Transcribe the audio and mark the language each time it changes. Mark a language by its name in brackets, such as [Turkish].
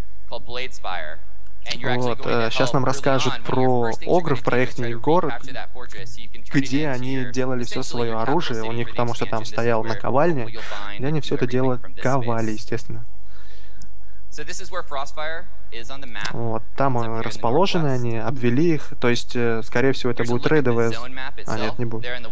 [Russian] Вот, сейчас нам расскажут про огров, про их город, где они делали все свое оружие у них, потому что там стояла наковальня, и они все это дело ковали, естественно. [English] So this is where Frostfire is on the map. [Russian] Вот, там расположены они, обвели их, то есть, скорее всего, это будет рейдовая... А, нет, не будет.